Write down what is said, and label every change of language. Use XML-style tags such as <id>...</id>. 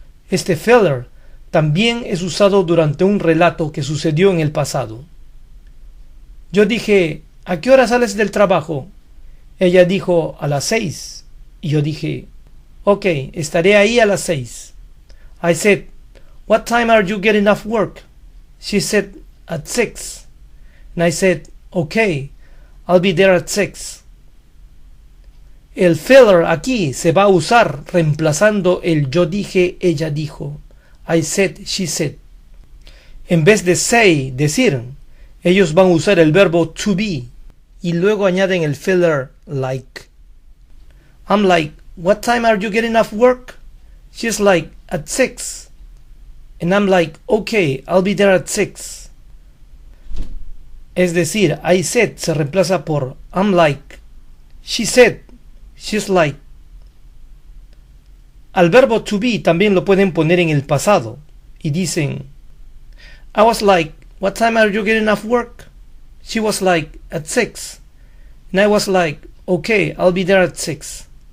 <es>Este filler también es usado durante un relato que sucedió en el pasado. Yo dije, ¿a qué hora sales del trabajo? Ella dijo, a las 6. Y yo dije, ok, estaré ahí a las 6.</es> <en>I said, what time are you getting off work? She said, at 6. And I said, okay, I'll be there at 6.</en> <es>El filler aquí se va a usar reemplazando el yo dije, ella dijo.</es> <en>I said, she said.</en> <es>En vez de say, decir, ellos van a usar el verbo to be. Y luego añaden el filler like.</es> <en>I'm like, what time are you getting off work? She's like, at 6. And I'm like, okay, I'll be there at 6.</en> <es>Es decir,</es> <en>I said</en> <es>se reemplaza por</es> <en>I'm like. She said, she's like.</en> <es>Al verbo to be también lo pueden poner en el pasado. Y dicen,</es> <en>I was like, what time are you getting off work? She was like, at 6. And I was like, okay, I'll be there at 6.</en>